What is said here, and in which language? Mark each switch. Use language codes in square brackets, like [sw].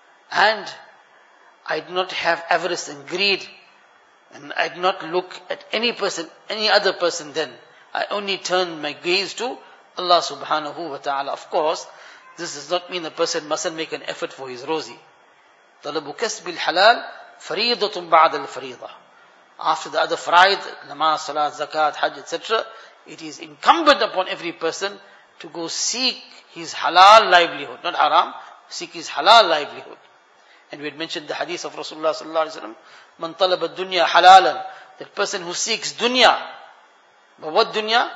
[en] And I did not have avarice and greed, and I did not look at any person, any other person then. I only turned my gaze to Allah subhanahu wa ta'ala. Of course, this does not mean a person mustn't make an effort for his rozi. [ar] طلب كسب الحلال فريضة بعد الفريضة. [en] After the other faraid, namaz, salat, zakat, hajj, etc., it is incumbent upon every person to go seek his halal livelihood, not haram, seek his halal livelihood. And we had mentioned the hadith of Rasulullah sallallahu alaihi wasallam, [ar] man talaba dunya halalan, [en] that person who seeks dunya, but what dunya?